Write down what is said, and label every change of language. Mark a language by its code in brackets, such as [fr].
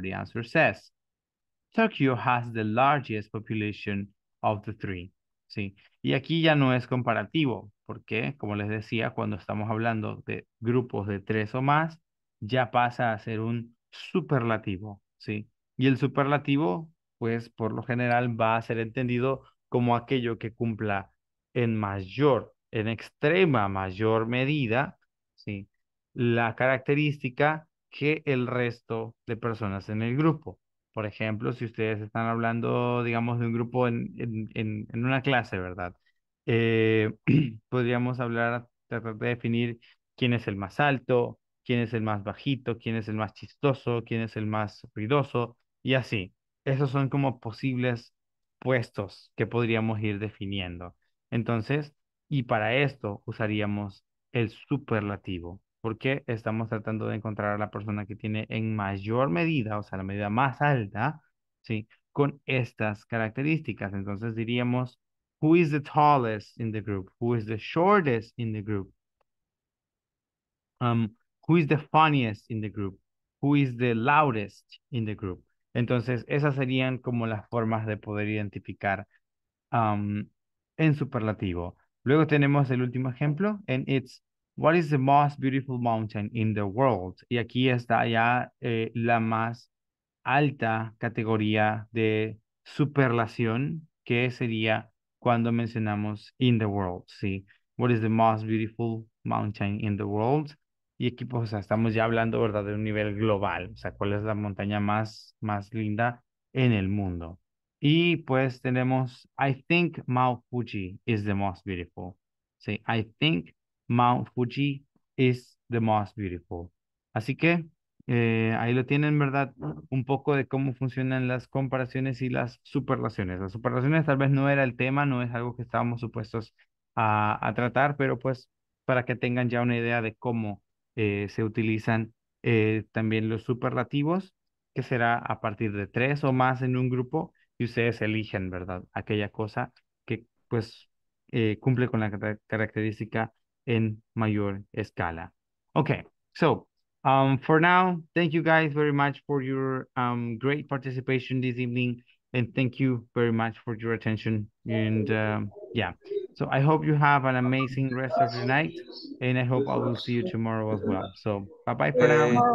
[en] The answer says, Tokyo has the largest population of the three. [es] ¿Sí? Y aquí ya no es comparativo, porque, como les decía, cuando estamos hablando de grupos de tres o más, ya pasa a ser un superlativo, ¿sí? Y el superlativo, pues, por lo general, va a ser entendido como aquello que cumpla en mayor, en extrema mayor medida, ¿sí? La característica que el resto de personas en el grupo. Por ejemplo, si ustedes están hablando, digamos, de un grupo en una clase, ¿verdad? Podríamos hablar, tratar de definir quién es el más alto, quién es el más bajito, quién es el más chistoso, quién es el más ruidoso, y así. Esos son como posibles puestos que podríamos ir definiendo. Entonces, y para esto usaríamos el superlativo, porque estamos tratando de encontrar a la persona que tiene en mayor medida, o sea, la medida más alta, ¿sí? Con estas características. Entonces diríamos, [en] who is the tallest in the group? Who is the shortest in the group? Who is the funniest in the group? Who is the loudest in the group? [es] Entonces, esas serían como las formas de poder identificar en superlativo. Luego tenemos el último ejemplo, [en] and it's, what is the most beautiful mountain in the world? [es] Y aquí está ya la más alta categoría de superlación, que sería cuando mencionamos [en] in the world, [es] ¿sí? [en] What is the most beautiful mountain in the world? [es] Y aquí, pues, o sea, estamos ya hablando, ¿verdad?, de un nivel global. O sea, ¿cuál es la montaña más, más linda en el mundo? Y, pues, tenemos, [en] I think Mount Fuji is the most beautiful. [es] Sí, [en] I think Mount Fuji is the most beautiful. [es] Así que, ahí lo tienen, ¿verdad?, un poco de cómo funcionan las comparaciones y las superlaciones. Las superlaciones tal vez no era el tema, no es algo que estábamos supuestos a tratar, pero, pues, para que tengan ya una idea de cómo se utilizan también los superlativos, que será a partir de tres o más en un grupo, y ustedes eligen, ¿verdad?, aquella cosa que, pues, cumple con la característica en mayor escala. [en] Okay, so, for now, thank you guys very much for your great participation this evening, and thank you very much for your attention, and yeah. So I hope you have an amazing rest of the night, and I hope I will see you tomorrow as well. So bye-bye for now.